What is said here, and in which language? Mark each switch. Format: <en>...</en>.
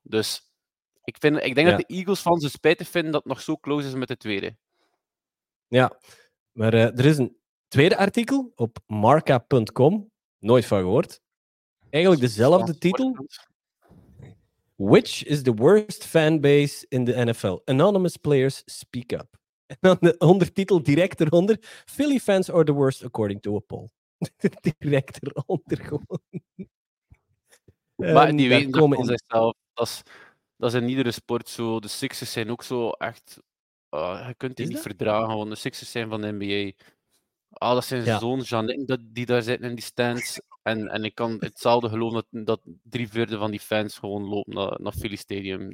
<nl>Dus ik denk dat de Eagles fans het spijtig vinden dat het nog zo close is met de tweede. Ja, maar er is een tweede artikel op marca.com, nooit van gehoord. Eigenlijk dezelfde titel.</nl> <en>Which is the worst fanbase in the NFL? Anonymous players speak up.</en> <nl>En dan de ondertitel direct eronder.</nl> <en>Philly fans are the worst according to a poll.</en> <nl>Direct eronder gewoon. Maar die weten dat van zichzelf. Dat is in iedere sport zo. De Sixers zijn ook zo echt... je kunt die niet verdragen, want de Sixers zijn van de NBA. Ah, dat zijn zo'n Jeanette die daar zitten in die stands. En ik kan hetzelfde geloven dat 3/4 van die fans gewoon lopen naar Philly Stadium.</nl>